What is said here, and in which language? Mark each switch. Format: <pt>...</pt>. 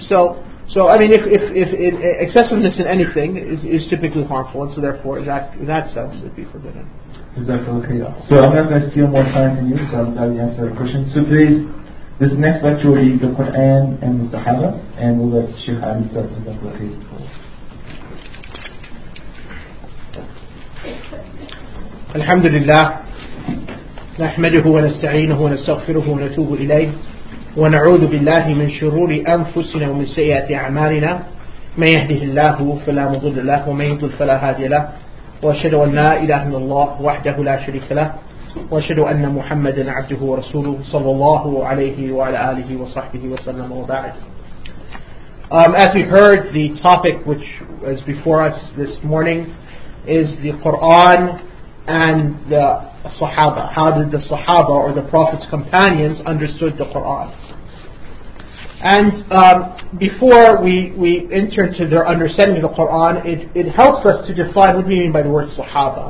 <en>So I mean, if excessiveness in anything is typically harmful, and so therefore in that sense it would be forbidden. Is that okay? So I'm not going to steal more time from you, so I'm glad you answered the question. So please, this next lecture will be the Quran and the Sahaba, and we'll let Sheikh Ali start the lecture.</en> <ar>الحمد لله نحمده ونستعينه ونستغفره ونتوب إليه ونعوذ بالله من شرور أنفسنا ومن سيئات أعمالنا من يهده الله فلا مضل له ومن يضلل فلا هادي له وأشهد أن لا إله إلا الله وحده لا شريك له وأشهد أن محمدا عبده ورسوله صلى الله عليه وعلى آله وصحبه وسلم وبعد.</ar> <en>As we heard, the topic which is before us this morning is the Quran and the Sahaba. How did the Sahaba or the Prophet's companions understood the Quran? And before we enter into their understanding of the Quran, it helps us to define what we mean by the word Sahaba.</en>